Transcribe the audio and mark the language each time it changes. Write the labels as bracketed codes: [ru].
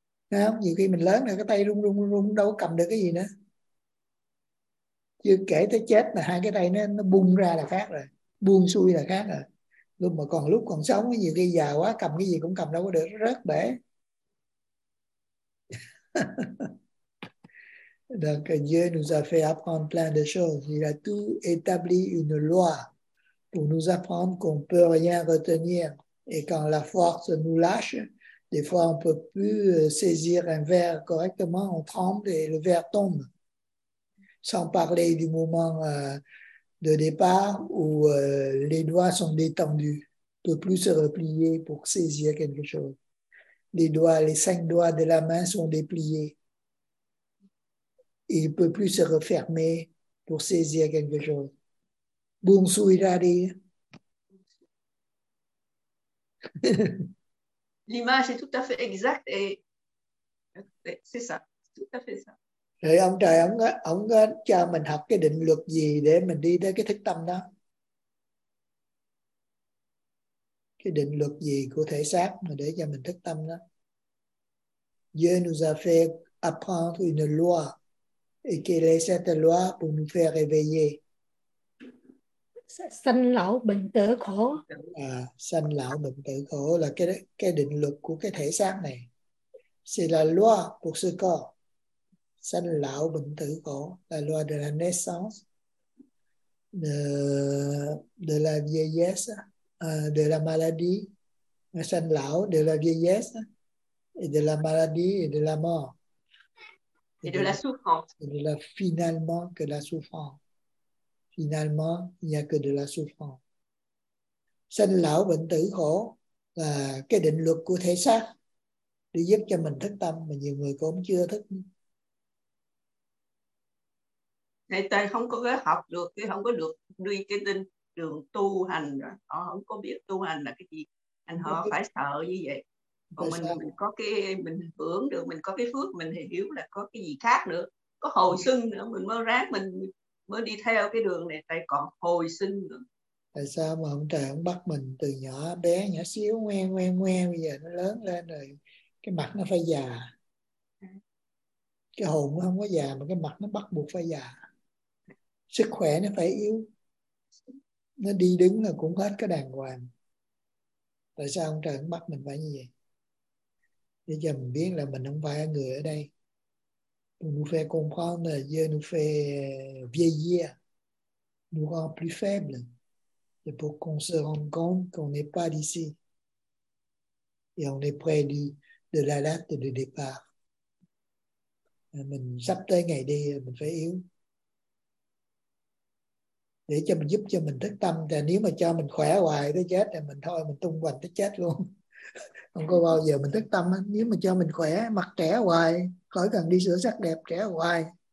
[vi] Thấy không? Nhiều khi mình lớn rồi cái tay rung đâu có cầm được cái gì nữa. Chưa kể tới chết là hai cái tay nó bung ra là khác rồi, buông xuôi là khác rồi. Lúc mà còn lúc còn sống, nhiều khi già quá cầm cái gì cũng cầm đâu có được, rớt bể. [fr] Donc Dieu nous a fait apprendre plein de choses. Il a tout établi une loi pour nous apprendre qu'on ne peut rien retenir. Et quand la force nous lâche, des fois on ne peut plus saisir un verre correctement, on tremble et le verre tombe. Sans parler du moment de départ où les doigts sont détendus, on ne peut plus se replier pour saisir quelque chose. Les cinq doigts de la main sont dépliés. Il ne peut plus se refermer pour saisir quelque chose. Bonsoir, il arrive. L'image est tout à fait exacte et c'est ça, tout à fait ça. [vi] Rồi ông trời ông có cho mình học cái định luật gì để mình đi tới cái thức tâm đó. Cái định luật gì của thể xác mà để cho mình thức tâm đó. [fr] Dieu nous a fait apprendre une loi. Et quelle est cette loi pour nous faire réveiller? [vi] Sanh lão bệnh tử khổ. Sanh lão bệnh tử khổ là cái định luật của cái thể xác này. [fr] C'est la loi pour ce corps. [vi] Sanh lão bệnh tử khổ, [fr] la loi de la naissance, de la vieillesse, de la maladie. [vi] Sanh lão, [fr] de la vieillesse, et de la maladie et de la mort. Et de la souffrance. Et de la, finalement, que la souffrance. Finalement, il n'y a que de la souffrance. [vi] Sanh lão bệnh tử khổ là cái định luật của thể xác để giúp cho mình thức tâm, mà nhiều người cũng chưa thức. Thầy Tài không có cái học được, thì không có được đi cái định đường tu hành. Họ không có biết tu hành là cái gì. Anh họ phải sợ như vậy. Còn mình có cái mình hưởng được, mình có cái phước, mình thì hiểu là có cái gì khác nữa, có hồi sinh nữa, mình mới ráng, mình mới đi theo cái đường này, tại còn hồi sinh nữa. Tại sao mà ông trời ông bắt mình từ nhỏ bé nhỏ xíu ngoe, bây giờ nó lớn lên rồi cái mặt nó phải già, cái hồn nó không có già mà cái mặt nó bắt buộc phải già, sức khỏe nó phải yếu, nó đi đứng là cũng hết cái đàng hoàng. Tại sao ông trời ông bắt mình phải như vậy? để cho mình biết là mình không phải là người ở đây. [fr] Nous fait comprendre, Dieu nous fait vieillir, nous rend plus faible, et pour qu'on se rende compte qu'on n'est pas d'ici et on est près de la date de départ. [vi] Mình sắp tới ngày đi, mình phải yếu. Để cho mình giúp cho mình thức tâm. Thì nếu mà cho mình khỏe hoài tới chết thì mình thôi, mình tung hoành tới chết luôn. Không có bao giờ mình thức tâm. Nếu mà cho mình khỏe, mặt trẻ hoài, khỏi cần đi sửa sắc đẹp, trẻ hoài.